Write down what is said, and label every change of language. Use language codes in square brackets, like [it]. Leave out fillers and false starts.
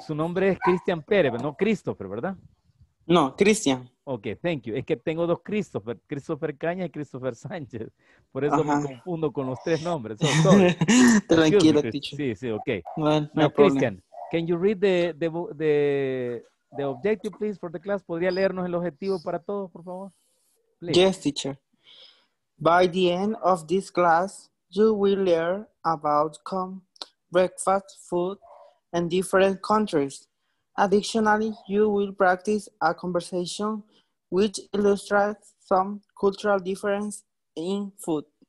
[es] Su nombre es Cristian Pérez, no Christopher, ¿verdad? No, Cristian. [en] Ok, thank you. [es] Es que tengo dos Christopher, Christopher Caña y Christopher Sánchez. Por eso Ajá. Me confundo con los tres nombres. [en] So, [es] tranquilo, teacher. Sí, sí, ok. [en] Well, no, Cristian, can you read the objective, please, for the class? [es] ¿Podría leernos el objetivo para todos, por favor? [en] Please. Yes, teacher. By the end of this class, you will learn about breakfast food in different countries. Additionally, you will practice a conversation which illustrates some cultural difference in food.